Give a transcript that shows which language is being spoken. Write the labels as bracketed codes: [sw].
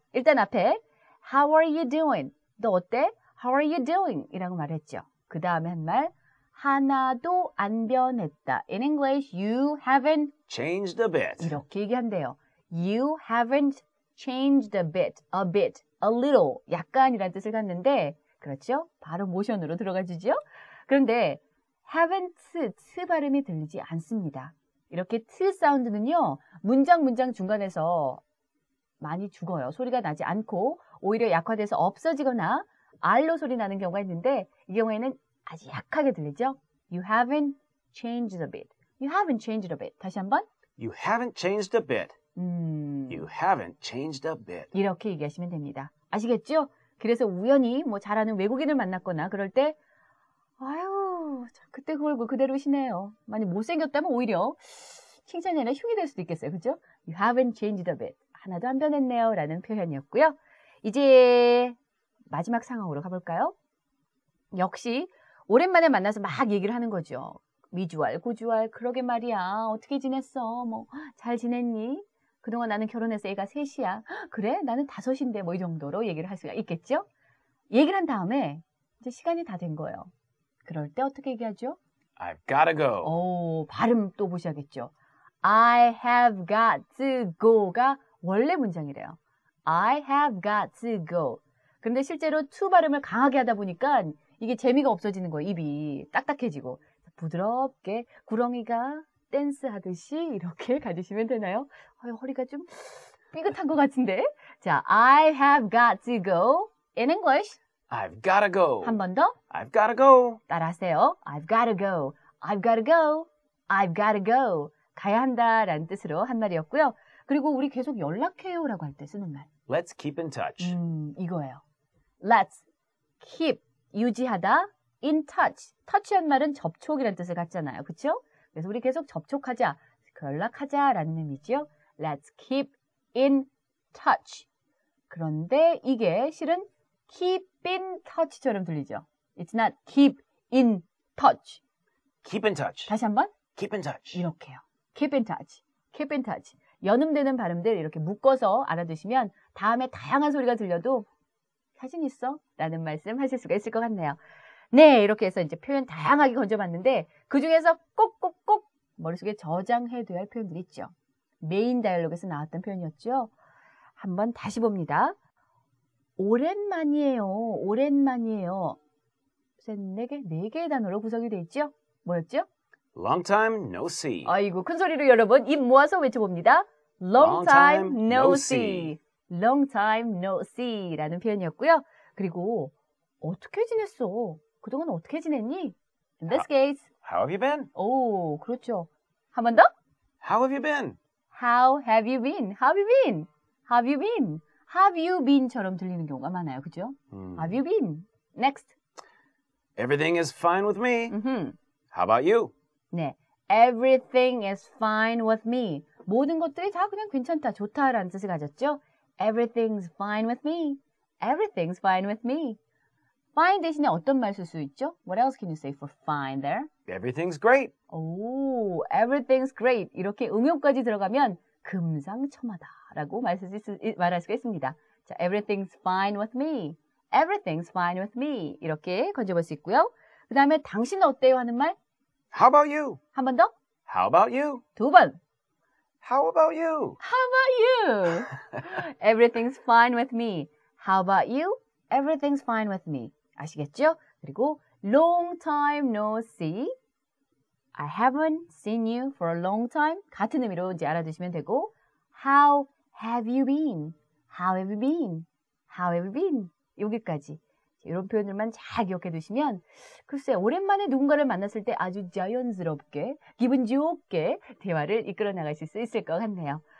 [ko] 일단 앞에 [en] How are you doing? [ko] 너 어때? [en] How are you doing? [ko] 이라고 말했죠. 그 다음에 한 말 하나도 안 변했다. [en] In English, you haven't changed a bit. [ko] 이렇게 얘기한대요. [en] You haven't changed a bit, a little, [ko] 약간이라는 뜻을 갖는데 그렇죠? 바로 모션으로 들어가지죠? 그런데 haven't, 발음이 들리지 않습니다. 이렇게 사운드는요, 문장 중간에서 많이 죽어요. 소리가 나지 않고 오히려 약화돼서 없어지거나 R로 소리 나는 경우가 있는데 이 경우에는 아주 약하게 들리죠? [en] You haven't changed a bit. You haven't changed a bit. [ko] 다시 한번. [en] You haven't changed a bit. You haven't changed a bit. [ko] 이렇게 얘기하시면 됩니다. 아시겠죠? 그래서 우연히 뭐 잘하는 외국인을 만났거나 그럴 때 아유, 그때 그 얼굴 그대로시네요. 만약 못생겼다면 오히려 칭찬이나 흉이 될 수도 있겠어요. 그죠? [en] You haven't changed a bit. [ko] 하나도 안 변했네요. 라는 표현이었고요. 이제 마지막 상황으로 가볼까요? 역시 오랜만에 만나서 막 얘기를 하는 거죠. 미주알, 고주알, 그러게 말이야. 어떻게 지냈어? 뭐, 잘 지냈니? 그동안 나는 결혼해서 애가 셋이야. 그래? 나는 다섯인데. 뭐 이 정도로 얘기를 할 수가 있겠죠? 얘기를 한 다음에 이제 시간이 다 된 거예요. 그럴 때 어떻게 얘기하죠? [en] I've gotta go. [ko] 오, 발음 또 보셔야겠죠. [en] I have got to go가 [ko] 원래 문장이래요. [en] I have got to go. [ko] 그런데 실제로 to 발음을 강하게 하다 보니까 이게 재미가 없어지는 거예요. 입이 딱딱해지고 부드럽게 구렁이가 댄스하듯이 이렇게 가주시면 되나요? 허리가 좀 삐긋한 것 같은데. [en] 자, I have got to go. In English, I've gotta go. [ko] 한 번 더. [en] I've gotta go. 따라하세요. I've gotta go. I've gotta go. I've gotta go. [ko] 가야 한다라는 뜻으로 한 말이었고요. 그리고 우리 계속 연락해요라고 할 때 쓰는 말. [en] Let's keep in touch. [ko] 이거예요. [en] Let's keep [ko] 유지하다 [en] in touch. [ko] touch란 말은 접촉이라는 뜻을 갖잖아요. 그렇죠? 그래서 우리 계속 접촉하자. 연락하자라는 의미죠. [en] Let's keep in touch. [ko] 그런데 이게 실은 [en] keep in touch [ko] 처럼 들리죠. [en] It's not keep in touch. Keep in touch. [ko] 다시 한번. [en] Keep in touch. [ko] 이렇게요. [en] Keep in touch. Keep in touch. [ko] 연음되는 발음들 이렇게 묶어서 알아두시면 다음에 다양한 소리가 들려도 사진 있어? 라는 말씀 하실 수가 있을 것 같네요. 네, 이렇게 해서 이제 표현 다양하게 건져봤는데 그 중에서 꼭꼭꼭 머릿속에 저장해둬야 할 표현들이 있죠. 메인 다이얼로그에서 나왔던 표현이었죠. 한번 다시 봅니다. 오랜만이에요. 오랜만이에요. 셋, 네 개, 네 개의 단어로 구성이 되어 있죠. 뭐였죠? [en] Long time no see. [ko] 아이고, 큰 소리로 여러분 입 모아서 외쳐봅니다. [en] Long time no see. Long time no see [ko] 라는 표현이었고요. 그리고 어떻게 지냈어? 그동안 어떻게 지냈니? [en] In this case. How have you been? [ko] 오, 그렇죠. 한 번 더? [en] How have you been? How have you been? How have you been? Have you been? Have you been [ko] 처럼 들리는 경우가 많아요, 그죠? [en] Have you been? Next. Everything is fine with me. Mm-hmm. How about you? 네, everything is fine with me. [ko] 모든 것들이 다 그냥 괜찮다, 좋다라는 뜻을 가졌죠. [en] Everything's fine with me. Everything's fine with me. [ko] Fine 대신에 어떤 말 쓸 수 있죠? [en] What else can you say for fine there? Everything's great. 오, everything's great. [ko] 이렇게 응용까지 들어가면 금상첨화다. 라고 말할 수가 있습니다. [en] 자, everything's fine with me. Everything's fine with me. [ko] 이렇게 건져볼 수 있고요. 그 다음에 당신은 어때요? 하는 말. [en] How about you? [ko] 한 번 더. [en] How about you? [ko] 두 번. [en] How about you? How about you? Everything's fine with me. How about you? Everything's fine with me. [ko] 아시겠죠? [en] 그리고 long time no see. I haven't seen you for a long time. [ko] 같은 의미로 이제 알아두시면 되고. [en] How have you been? How have you been? How have you been? [ko] 여기까지. 이런 표현들만 잘 기억해 두시면 글쎄 오랜만에 누군가를 만났을 때 아주 자연스럽게 기분 좋게 대화를 이끌어 나가실 수 있을 것 같네요.